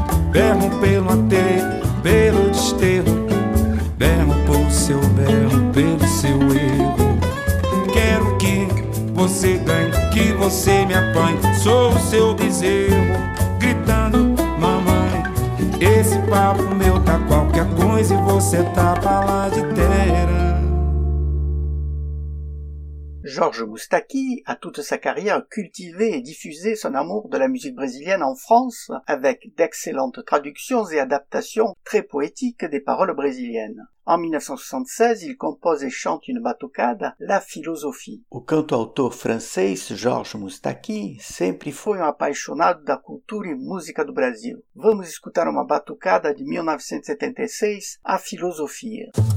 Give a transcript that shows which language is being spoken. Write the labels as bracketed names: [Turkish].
[Portuguese] Berro pelo aterro, pelo desterro, berro por seu berro, pelo seu erro. Quero que você ganhe, que você me apanhe, sou o seu bezerro gritando mamãe. Esse papo meu tá qualquer coisa e você tá pra lá de terra. [French] Georges Moustaki a toute sa carrière cultivé et diffusé son amour de la musique brésilienne en France avec d'excellentes traductions et adaptations très poétiques des paroles brésiliennes. En 1976, il compose et chante une batucada, La Philosophie. [Portuguese] O cantautor francês Georges Moustaki sempre foi um apaixonado da cultura e música do Brasil. Vamos escutar uma batucada de 1976, A Filosofia.